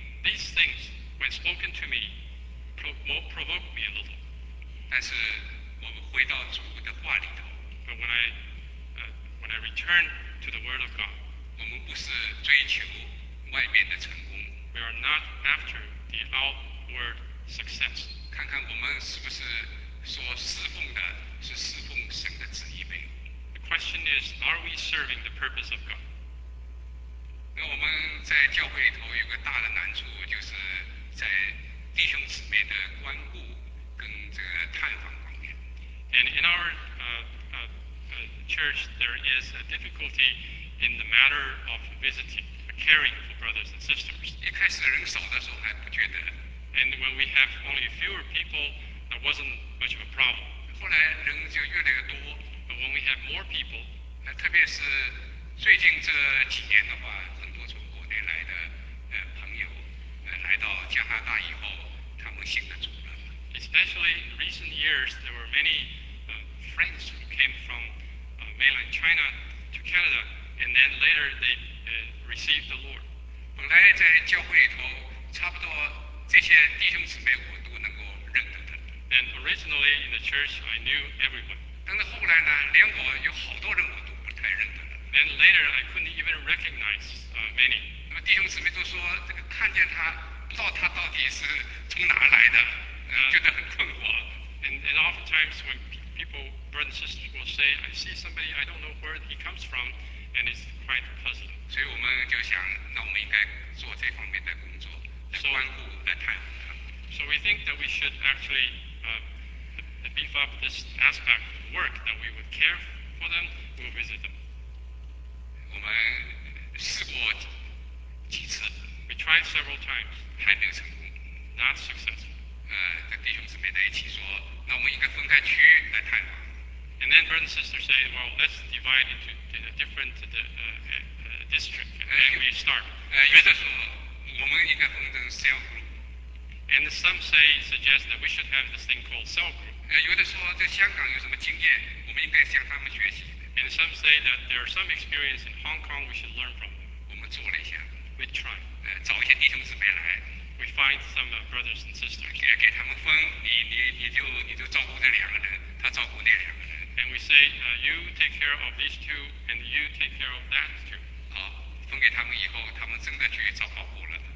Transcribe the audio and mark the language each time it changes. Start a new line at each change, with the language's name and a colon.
English: These things, when spoken to me, provoke me a little.
Chinese: 但是我们回到主的话里头。
English: But when I return to the Word of God,
Chinese: 我们不是追求外面的成功。
English: We are not after the outward success.
Chinese: 看看我们是不是。所侍奉的是侍奉神的旨意呗。
English: The question is, are we serving the purpose of God?
Chinese: 那我们在教会里头有个大的难处，就是在弟兄姊妹的关顾跟这个探访方面。
English: And in our church there is a difficulty in the matter of visiting, caring for brothers and sisters.
Chinese: 一开始人少的时候还不觉得。
English: And when we have only fewer people, that wasn't much of a problem.
Chinese: 后来人就越来越多。
English: But when we have more people,
Chinese: 特别是最近这几年的话，很多从国内来的朋友来到加拿大以后，他们信了主了。
English: Especially in recent years, there were many friends who came from mainland China to Canada, and then later they received the Lord.
Chinese: 本来在教会里头，差不多这些弟兄姊妹我都能够认得的。
English: And originally in the church, I knew everyone.
Chinese: 但是后来呢，连我有好多人我都不太认得。
English: And later, I couldn't even recognize many.
Chinese: 那么弟兄姊妹都说，这个看见他，不知道他到底是从哪来的，觉得很困惑。
English: And oftentimes when people, brothers and sisters will say, I see somebody, I don't know where he comes from, and it's quite puzzling.
Chinese: 所以我们就想，那我们应该做这方面的工作，来关顾，来探访他。
English: So we think that we should actually beef up this aspect of work, that we would care for them, we'll visit them.
Chinese: 我们试过几次
English: ，We tried several times，
Chinese: 还没有成功
English: ，Not successful。
Chinese: 跟弟兄姊妹在一起说，那我们应该分开区来探访。
English: And then brothers and sisters say, well, let's divide into different district, and we start.
Chinese: 有的说，我们应该分成 cell group。
English: And some say suggest that we should have this thing called cell group。
Chinese: 有的说，在香港有什么经验，我们应该向他们学习。
English: And some say that there are some experience in Hong Kong we should learn from.
Chinese: 我们做了一下。
English: We try.
Chinese: 找一些弟兄姊妹来。
English: We find some brothers and sisters.
Chinese: 给他们分，你就照顾这两个人，他照顾那两个人。
English: And we say, you take care of these two, and you take care of that two.
Chinese: 好，分给他们以后，他们真的去找保护了。